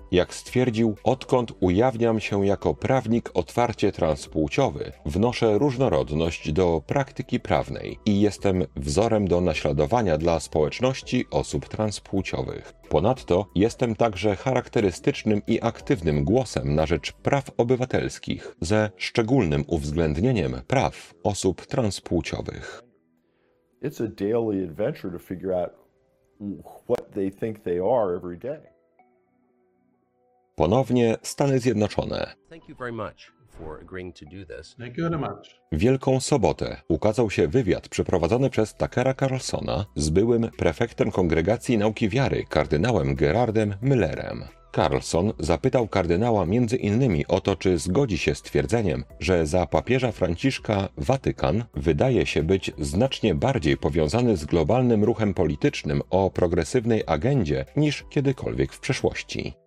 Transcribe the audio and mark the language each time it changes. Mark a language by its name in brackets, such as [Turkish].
[Polish] Jak stwierdził, odkąd ujawniam się jako prawnik otwarcie transpłciowy, wnoszę różnorodność do praktyki prawnej i jestem wzorem do naśladowania dla społeczności osób transpłciowych. Ponadto jestem także charakterystycznym i aktywnym głosem na rzecz praw obywatelskich, ze szczególnym uwzględnieniem praw osób transpłciowych. [English] It's a daily adventure to figure out what they think they are every day. [Polish] Ponownie Stany Zjednoczone. [English] Thank you very much for agreeing to do this. Thank you very much. [Polish] Wielką sobotę ukazał się wywiad przeprowadzony przez Tuckera Carlsona z byłym prefektem Kongregacji Nauki Wiary, kardynałem Gerardem Müllerem. Carlson zapytał kardynała między innymi o to, czy zgodzi się z twierdzeniem, że za papieża Franciszka Watykan wydaje się być znacznie bardziej powiązany z globalnym ruchem politycznym o progresywnej agendzie niż kiedykolwiek w przeszłości.